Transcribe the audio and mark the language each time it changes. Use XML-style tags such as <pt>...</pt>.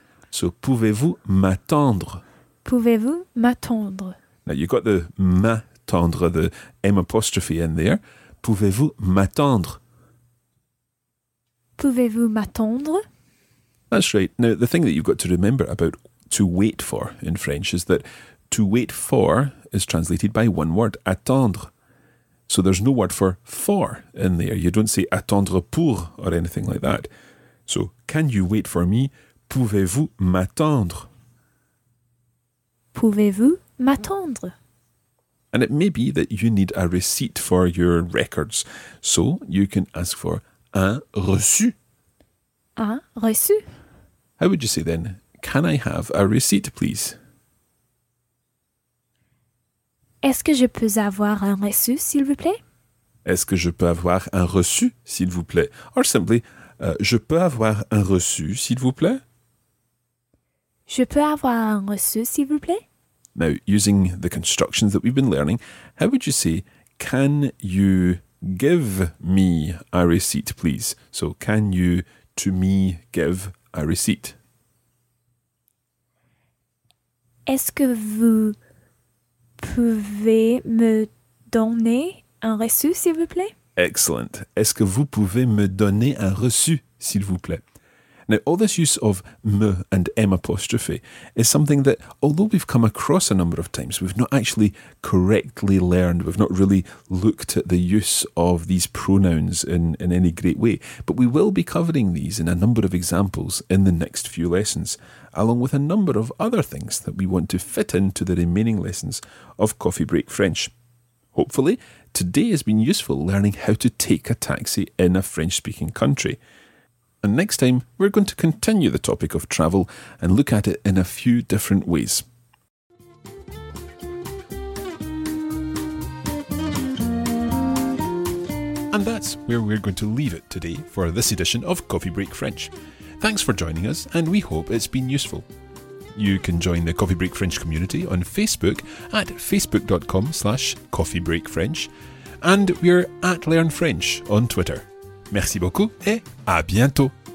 <fr>So, pouvez-vous m'attendre? Pouvez-vous m'attendre?</fr> <en>Now, you've got the m'attendre, the M apostrophe in there.</en> <fr>Pouvez-vous m'attendre? Pouvez-vous m'attendre?</fr> <en>That's right. Now, the thing that you've got to remember about to wait for in French is that to wait for is translated by one word, attendre. So there's no word for in there. You don't say attendre pour or anything like that. So, can you wait for me?</en> <fr>Pouvez-vous m'attendre? Pouvez-vous m'attendre?</fr> <en>And it may be that you need a receipt for your records. So you can ask for un reçu.</en> <fr>Un reçu.</fr> <en>How would you say then, can I have a receipt, please?</en> <fr>Est-ce que je peux avoir un reçu, s'il vous plaît? Est-ce que je peux avoir un reçu, s'il vous plaît?</fr> <en>Or simply,</en> <fr>je peux avoir un reçu, s'il vous plaît? Je peux avoir un reçu, s'il vous plaît?</fr> <en>Now, using the constructions that we've been learning, how would you say, can you give me a receipt, please? So, can you, to me, give a receipt?</en> <fr>Est-ce que vous pouvez me donner un reçu, s'il vous plaît?</fr> <en>Excellent.</en> <fr>Est-ce que vous pouvez me donner un reçu, s'il vous plaît?</fr> <en>Now, all this use of me and M apostrophe is something that, although we've come across a number of times, we've not actually correctly learned, we've not really looked at the use of these pronouns in any great way. But we will be covering these in a number of examples in the next few lessons, along with a number of other things that we want to fit into the remaining lessons of Coffee Break French. Hopefully, today has been useful learning how to take a taxi in a French-speaking country. And next time, we're going to continue the topic of travel and look at it in a few different ways. And that's where we're going to leave it today for this edition of Coffee Break French. Thanks for joining us, and we hope it's been useful. You can join the Coffee Break French community on Facebook at facebook.com/coffeebreakfrench, and we're at Learn French on Twitter.</en> <fr>Merci beaucoup et à bientôt.</fr>